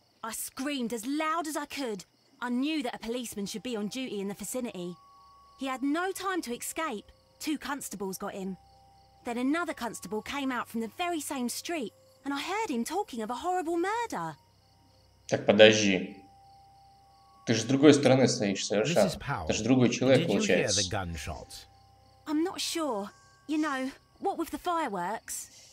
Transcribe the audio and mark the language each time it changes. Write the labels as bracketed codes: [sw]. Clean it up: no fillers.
[en] I screamed as loud as I could. I knew that a policeman should be on duty in the vicinity. He had no time to escape. Two constables got him. Then another constable came out from the very same street. And I heard him talking of a horrible murder. [ru] Так, подожди. Ты же с другой стороны стоишь, совершенно. Ты же другой человек, получается. [en] I'm not sure. You know, what with the fireworks?